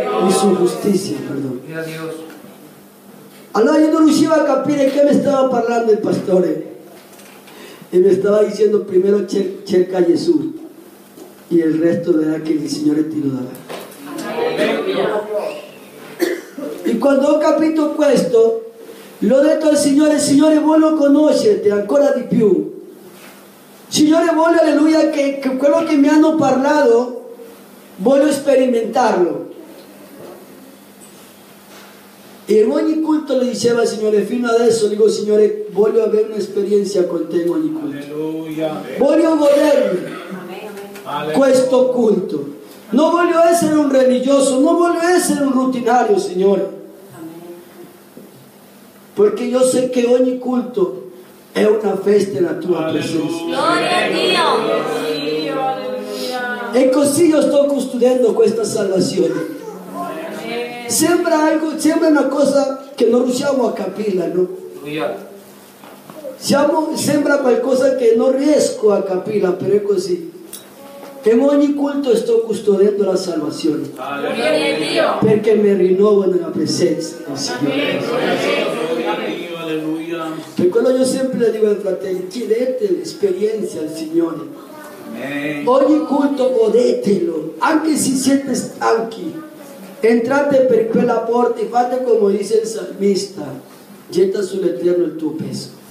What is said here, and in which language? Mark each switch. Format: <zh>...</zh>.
<es>Y su justicia, perdón. Gloria a Dios. Allora, yo</es> <it>no riuscivo a capir</it> <es>de qué me estaba hablando el pastor. Y me estaba diciendo, primero cerca a Jesús. Y el resto verá que el Señor te lo dará.</es> <it>E quando ho capito questo, l'ho detto al Signore: Signore, voglio conoscerti ancora di più. Signore, voglio, alleluia, che quello che mi hanno parlato, voglio sperimentarlo. E in ogni culto le diceva al Signore, fino adesso, dico: Signore, voglio avere un'esperienza con te in ogni culto. Alleluia. Voglio godermi questo culto. No voglio essere un religioso, no voglio essere un rutinario, Signore.</it> <es>Porque yo sé que ogni culto es una festa en la tua presencia.</es> <it>Gloria a Dio.</it> <es>E così yo estoy custodiando esta salvación.</es> <it>Sembra algo, sembra una cosa que no riusciamo a capirla, ¿no? Siamo, sembra qualcosa que no riesco a capirla, pero es così.</it> <es>En ogni culto estoy custodiando la salvación.</es> <it>Gloria a Dio.</it> <es>Porque me renuevo en la presencia del Señor.</es> <it>Per quello io sempre le dico ai fratelli, chiedete l'esperienza al Signore. Amen. Ogni culto godetelo, anche se siete stanchi, entrate per quella porta e fate come dice il salmista, getta sull'Eterno il tuo peso.</it>